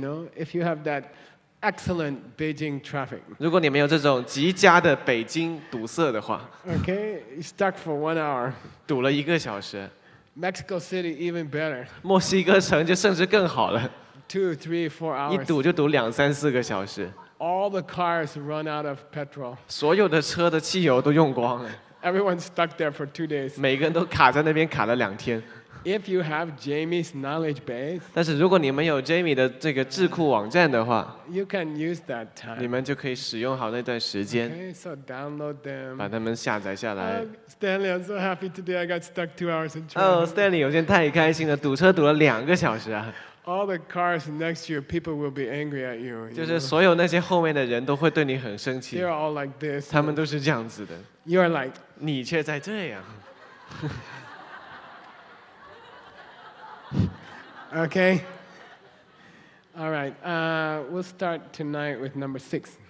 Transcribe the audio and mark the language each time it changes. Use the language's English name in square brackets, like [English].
[English] You know, if you have that excellent Beijing traffic. [Chinese] 如果你没有这种极佳的北京堵塞的话。 [English] Okay, you're stuck for 1 hour. [Chinese] 堵了一个小时。 [English] Mexico City even better. [Chinese] 墨西哥城就甚至更好了。 [English] 2, 3, 4 hours. [Chinese] 一堵就堵两三四个小时。 [English] All the cars run out of petrol. [Chinese] 所有的车的汽油都用光了。 [English] Everyone's stuck there for 2 days. [Chinese] 每个人都卡在那边卡了两天。 [English] If you have Jamie's knowledge base. [Chinese] 但是如果你们有 Jamie 的这个智库网站的话。 [English] You can use that time. [Chinese] 你们就可以使用好那段时间。 [English] Okay, so download them. [Chinese] 把它们下载下来。 [English] Stanley, I'm so happy today. I got stuck 2 hours in traffic. [Chinese] Oh, Stanley, 我今天太开心了，堵车堵了两个小时啊。 [English] All the cars next year, people will be angry at you. [Chinese] 就是所有那些后面的人都会对你很生气。 [English] They're all like this. [Chinese] 他们都是这样子的。 [English] You're like. [Chinese] 你却在这样。 [English] Okay. All right. We'll start tonight with number 6.